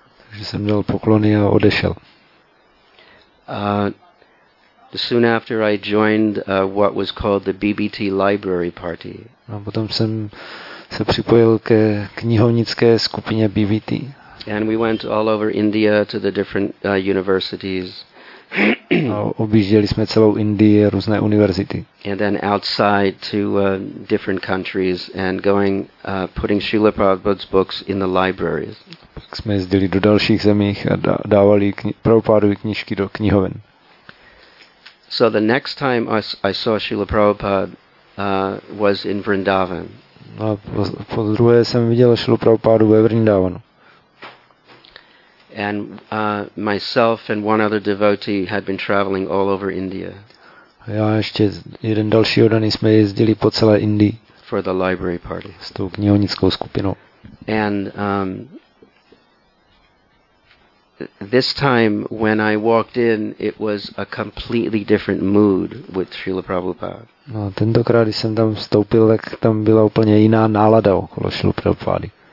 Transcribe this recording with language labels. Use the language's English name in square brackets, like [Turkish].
[Czech] Takže jsem dal poklony a odešel. [English] Soon after I joined what was called the BBT Library Party. [Czech] A potom jsem se připojil ke knihovnické skupině BBT. [English] And we went all over India to the different universities. [Czech] A objížděli jsme celou Indii, různé univerzity. [English] And then outside to different countries and going putting Srila Prabhupada's books in the libraries. [Czech] Pak jsme jezdili do dalších zemích a dávali Prabhupádovy knížky do knihoven. [English] So the next time I saw Srila Prabhupada was in Vrindavan. [Czech] No, po druhé jsem viděl Srila Prabhupádu ve Vrindavanu. [English] And myself and one other devotee had been traveling all over India. [Czech] Já ještě jeden další oddaný jsme jezdili po celé Indii. [English] For the library party. [Czech] S tou knihovnickou skupinou. [English] And this time when I walked in, it was a completely different mood with Srila Prabhupada. [Czech] No, tentokrát, když jsem tam vstoupil, tak tam byla úplně jiná nálada okolo Srila Prabhupady.